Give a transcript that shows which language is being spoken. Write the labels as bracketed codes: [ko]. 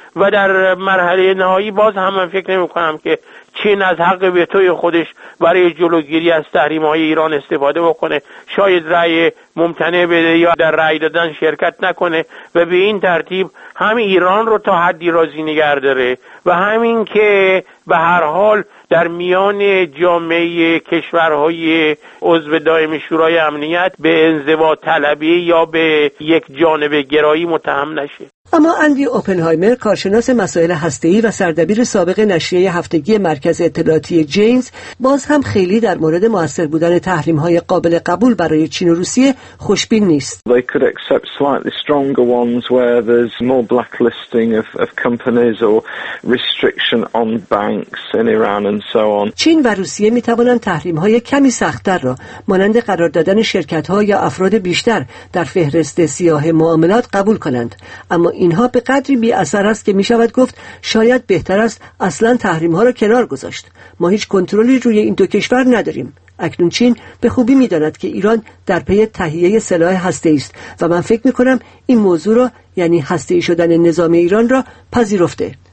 [fa] و در مرحله نهایی باز هم من فکر نمیکنم که چین از حق وتوی خودش برای جلوگیری از تحریم‌های ایران استفاده بکنه، شاید رأی ممتنع بده یا در رأی دادن شرکت نکنه و به این ترتیب هم ایران رو تا حدی راضی نگه داره و همین که به هر حال در میان جامعه کشورهای عضو دائم شورای امنیت به انزوا طلبی یا به یک جانبه گرایی متهم نشه. اما اندی اوپنهایمر، کارشناس مسائل هسته‌ای و سردبیر سابق نشریه هفتگی مرکز اطلاعاتی جیمز، باز هم خیلی در مورد مؤثر بودن تحریم‌های قابل قبول برای چین و روسیه خوشبین نیست. [en] They could accept slightly stronger ones where there's more blacklisting of companies or restriction on banks in Iran and so on. [fa] چین و روسیه می‌توانند تحریم‌های کمی سخت‌تر را مانند قرار دادن شرکت‌ها یا افراد بیشتر در فهرست سیاه معاملات قبول کنند، اما اینها به قدری بی اثر است که می شود گفت شاید بهتر است اصلا تحریم ها را کنار گذاشت. ما هیچ کنترلی روی این دو کشور نداریم. اکنون چین به خوبی می داند که ایران در پی تهیه سلاح هسته ایست و من فکر می کنم این موضوع را، یعنی هسته ای شدن نظام ایران را، پذیرفته.